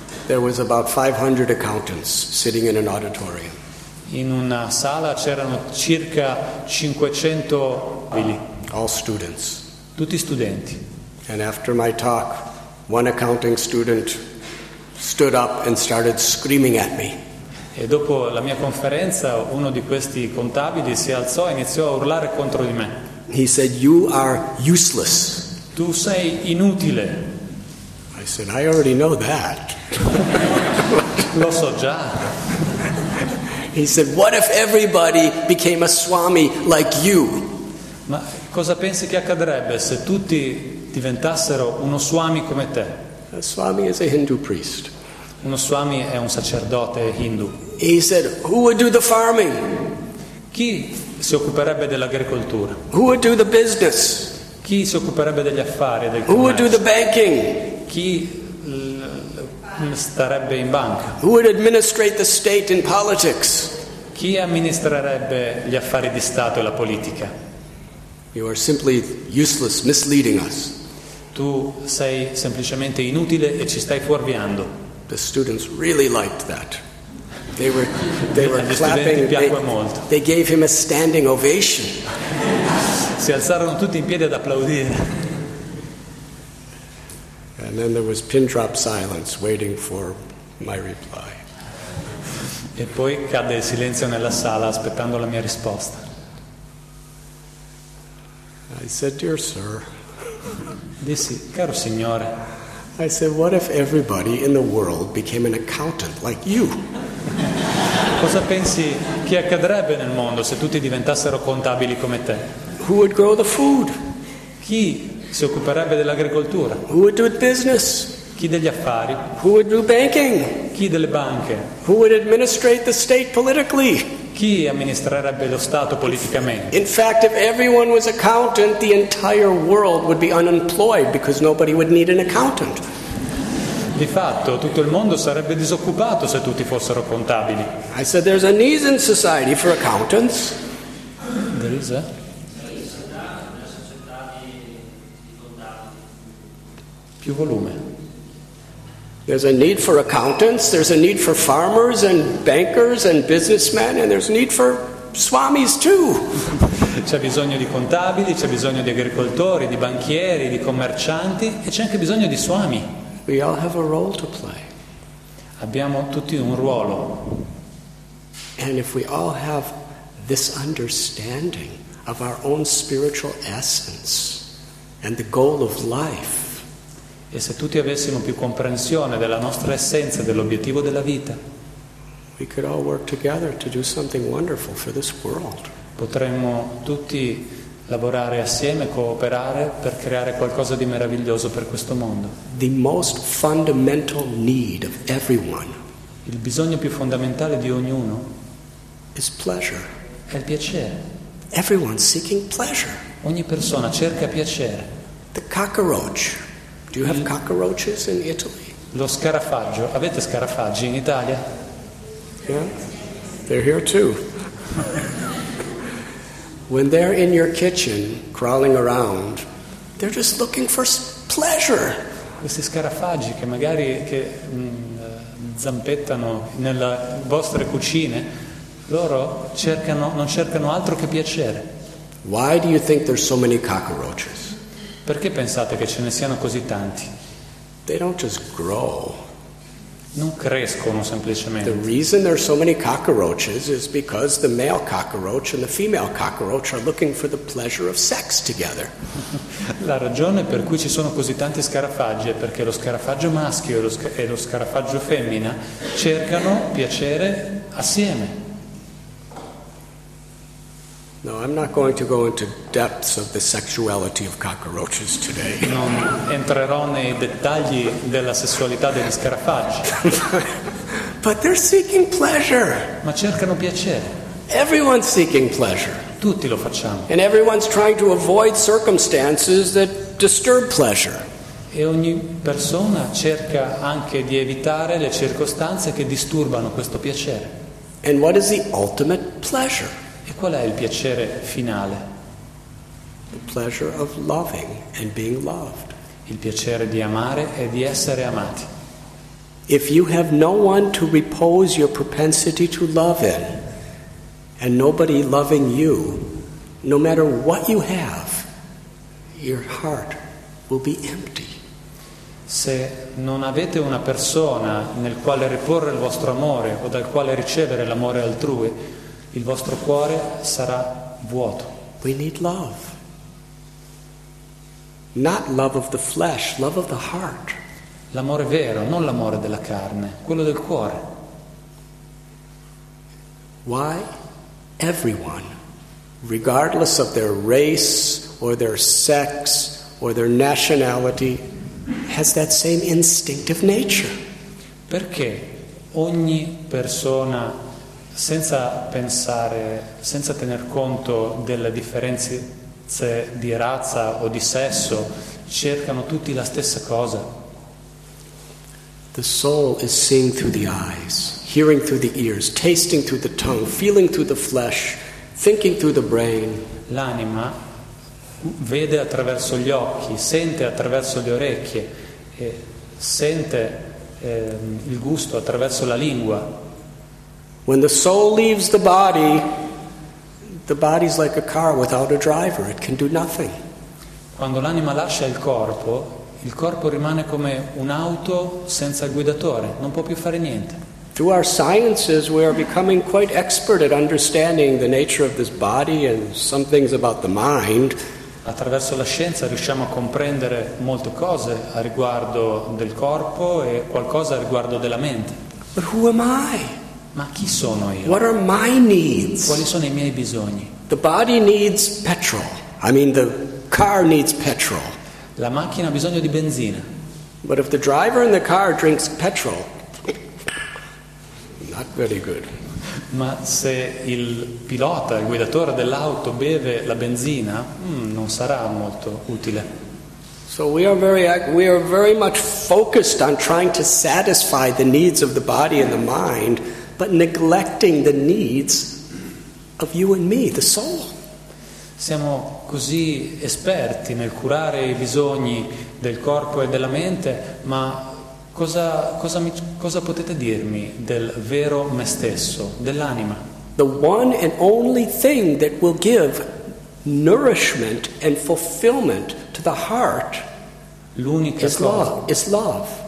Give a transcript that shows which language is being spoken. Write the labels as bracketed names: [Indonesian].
[English] There was about 500 accountants sitting in an auditorium. [Italian] In una sala c'erano circa 500 abili. [English] All students. [Italian] Tutti studenti. [English] And after my talk, one accounting student stood up and started screaming at me. [Italian] E dopo la mia conferenza, uno di questi contabili si alzò e iniziò a urlare contro di me. [English] He said, "You are useless." [Italian] Tu sei inutile. [English] I said, "I already know that." [Italian] Lo so già. [English] He said, "What if everybody became a swami like you?" [Italian] Ma cosa pensi che accadrebbe se tutti diventassero uno swami come te? [English] A swami is a Hindu priest. [Italian] Uno swami è un sacerdote hindu. [English] He said, "Who would do the farming?" [Italian] Chi si occuperebbe dell'agricoltura? [English] "Who would do the business?" [Italian] Chi si occuperebbe degli affari e del commercio? [English] "Who would do the banking?" [Italian] Chi starebbe in banca? [English] "Who would administrate the state and politics?" [Italian] Chi amministrerebbe gli affari di stato e la politica? [English] "You are simply useless, misleading us." [Italian] Tu sei semplicemente inutile e ci stai fuorviando. [English] The students really liked that. They were clapping. They gave him a standing ovation. [Italian] Si alzarono tutti in piedi ad applaudire. [English] And then there was pin drop silence, waiting for my reply. [Italian] E poi cadde il silenzio nella sala, aspettando la mia risposta. [English] I said, "Dear sir." [Italian] Dissi, caro signore. [English] I said, "What if everybody in the world became an accountant like you?" [Italian] Cosa pensi che accadrebbe nel mondo se tutti diventassero contabili come te? [English] "Who would grow the food?" [Italian] Chi si occuperebbe dell'agricoltura? [English] "Who would do business?" [Italian] Chi degli affari? [English] "Who would do banking?" [Italian] Chi delle banche? [English] "Who would administrate the state politically?" [Italian] Chi amministrerebbe lo stato politicamente? [English] In fact, if everyone was accountant, the entire world would be unemployed because nobody would need an accountant. [Italian] Di fatto, tutto il mondo sarebbe disoccupato se tutti fossero contabili. [English] I said, "There's a need in society for accountants." There is a? [Italian] Più volume. [English] "There's a need for accountants, there's a need for farmers and bankers and businessmen, and there's a need for swamis too." [Italian] C'è bisogno di contabili, c'è bisogno di agricoltori, di banchieri, di commercianti, e c'è anche bisogno di swami. [English] We all have a role to play. [Italian] Abbiamo tutti un ruolo. [English] And if we all have this understanding of our own spiritual essence and the goal of life, [Italian] e se tutti avessimo più comprensione della nostra essenza, dell'obiettivo della vita, [English] we could all work together to do something wonderful for this world. [Italian] Potremmo tutti lavorare assieme, cooperare per creare qualcosa di meraviglioso per questo mondo. [English] The most fundamental need of everyone, [Italian] il bisogno più fondamentale di ognuno, [English] is pleasure. [Italian] È il piacere. [English] Everyone seeking pleasure. [Italian] Ogni persona cerca piacere. [English] The cockroach. Do you have cockroaches in Italy? [Italian] Lo scarafaggio. Avete scarafaggi in Italia? [English] Yeah, they're here too. When they're in your kitchen, crawling around, they're just looking for pleasure. [Italian] Questi scarafaggi che magari che zampettano nelle vostre cucine, loro cercano, non cercano altro che piacere. [English] Why do you think there's so many cockroaches? [Italian] Perché pensate che ce ne siano così tanti? [English] They don't just grow. [Italian] Non crescono semplicemente. [English] The reason there are so many cockroaches is because the male cockroach and the female cockroach are looking for the pleasure of sex together. [Italian] La ragione per cui ci sono così tanti scarafaggi è perché lo scarafaggio maschio e lo scarafaggio femmina cercano piacere assieme. [English] No, I'm not going to go into depths of the sexuality of cockroaches today. [Italian] Non entrerò nei dettagli della sessualità degli scarafaggi. [English] But they're seeking pleasure. [Italian] Ma cercano piacere. [English] Everyone's seeking pleasure. [Italian] Tutti lo facciamo. [English] And everyone's trying to avoid circumstances that disturb pleasure. [Italian] E ogni persona cerca anche di evitare le circostanze che disturbano questo piacere. [English] And what is the ultimate pleasure? [Italian] E qual è il piacere finale? [English] The pleasure of loving and being loved. [Italian] Il piacere di amare e di essere amati. [English] If you have no one to repose your propensity to love in, and nobody loving you, no matter what you have, your heart will be empty. [Italian] Se non avete una persona nel quale riporre il vostro amore o dal quale ricevere l'amore altrui, il vostro cuore sarà vuoto. [English] We need love. Not love of the flesh, love of the heart. [Italian] L'amore vero, non l'amore della carne, quello del cuore. [English] Why? Everyone, regardless of their race or their sex or their nationality, has that same instinctive nature. [Italian] Perché ogni persona, senza pensare, senza tener conto delle differenze di razza o di sesso, cercano tutti la stessa cosa? [English] The soul is seeing through the eyes, hearing through the ears, tasting through the tongue, feeling through the flesh, thinking through the brain. [Italian] L'anima vede attraverso gli occhi, sente attraverso le orecchie, e sente il gusto attraverso la lingua. [English] When the soul leaves the body's like a car without a driver, it can do nothing. [Italian] Quando l'anima lascia il corpo rimane come un'auto senza guidatore, non può più fare niente. [English] Through our sciences we are becoming quite expert at understanding the nature of this body and some things about the mind. [Italian] Attraverso la scienza riusciamo a comprendere molte cose a riguardo del corpo e qualcosa a riguardo della mente. [English] But who am I? [Italian] Ma chi sono io? [English] What are my needs? [Italian] Quali sono i miei bisogni? [English] The body needs petrol. I mean, the car needs petrol. [Italian] La macchina ha bisogno di benzina. [English] But if the driver in the car drinks petrol, not very good. [Italian] Ma se il pilota, il guidatore dell'auto beve la benzina, non sarà molto utile. [English] So we are very much focused on trying to satisfy the needs of the body and the mind, but neglecting the needs of you and me, the soul. [Italian] Siamo così esperti nel curare i bisogni del corpo e della mente, ma cosa potete dirmi del vero me stesso, dell'anima? [English] The one and only thing that will give nourishment and fulfillment to the heart is love.